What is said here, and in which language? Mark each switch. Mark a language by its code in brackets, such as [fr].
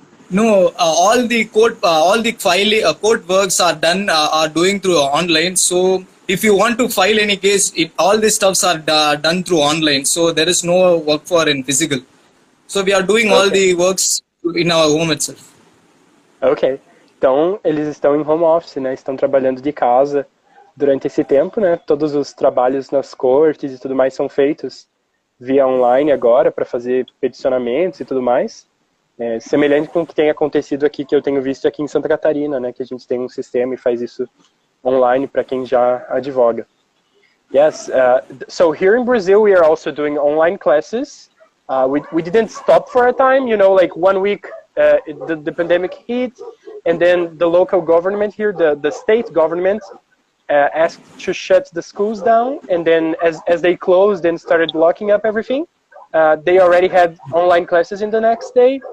[en] No, all the court works are done are doing through online. So if you want to file any case, all this stuff are done through online. So there is no work for in physical. So we are doing all the works in our home itself. [pt] Okay. Então, eles estão em home office, né? Estão trabalhando de casa durante esse tempo, né? Todos os trabalhos nas cortes e tudo mais são feitos via online agora para fazer peticionamentos e tudo mais. É, semelhante com o que tem acontecido aqui, que eu tenho visto aqui em Santa Catarina, né? Que a gente tem um sistema e faz isso online para quem já advoga. [en] Yes, so here in Brazil we are also doing online classes. We didn't stop for a time, you know, like 1 week the pandemic hit. And then the local government here, the state government, asked to shut the schools down. And then as they closed and started locking up everything, they already had online classes in the next day.